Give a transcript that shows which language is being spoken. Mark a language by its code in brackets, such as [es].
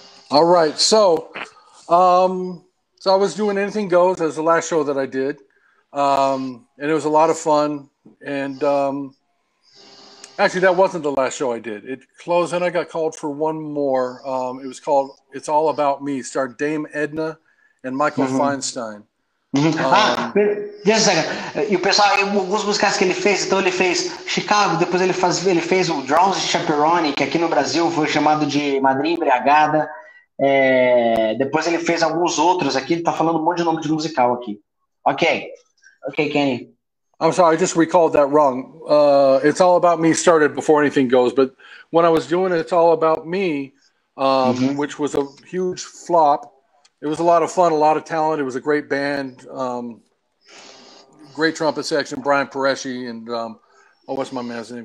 [en] All right, so I was doing Anything Goes as the last show that I did. And it was a lot of fun. And actually, that wasn't the last show I did. It closed and I got called for 1 more. It was called It's All About Me, starred Dame Edna and Michael Feinstein. Just a second. [pt] E o pessoal, alguns musicais que ele fez, então ele fez Chicago, depois ele fez o Drowsy Chaperone, que aqui no Brasil foi chamado de Madrinha Embriagada. Depois ele fez alguns outros aqui, ele tá falando um monte de nome de musical aqui. [en] Okay, Kenny. I'm sorry, I just recalled that wrong. It's All About Me started before Anything Goes, but when I was doing It's All About Me, which was a huge flop, it was a lot of fun, a lot of talent. It was a great band, great trumpet section, Brian Pareschi, and what's my man's name?